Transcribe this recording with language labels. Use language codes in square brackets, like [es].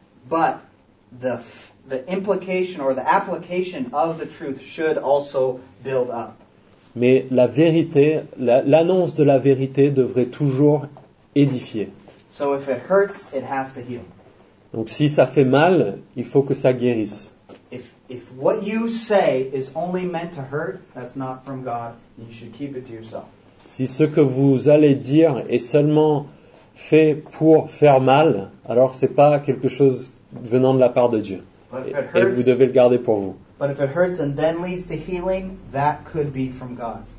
[en] But the implication or the application of the truth should also build up. [fr] Mais la vérité, l'annonce de la vérité devrait toujours édifier. [en] So if it hurts, it has to heal. [fr] Donc si ça fait mal, il faut que ça guérisse. [en] If what you say is only meant to hurt, that's not from God. You should keep it to yourself. [fr] Si ce que vous allez dire est seulement fait pour faire mal, alors c'est pas quelque chose venant de la part de Dieu. Et vous devez le garder pour vous. [en] But if it hurts and then leads to healing, that could be from God.